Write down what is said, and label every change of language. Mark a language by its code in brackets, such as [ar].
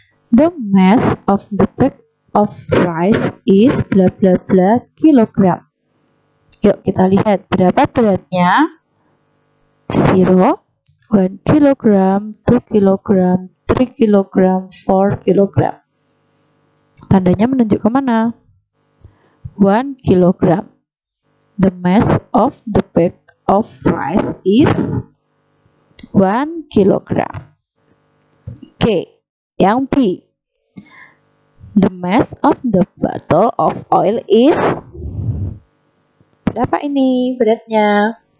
[en] The mass of the bag of rice is bla bla bla kilogram. [id] Yuk, kita lihat berapa beratnya. 0, 1 kilogram, 2 kilogram, 3 kilogram, 4 kilogram. Tandanya menunjuk ke mana? 1 kilogram. [en] The mass of the bag of rice is 1 kilogram. Oke, okay. [id] Yang B. [en] The mass of the bottle of oil is [id] berapa ini beratnya?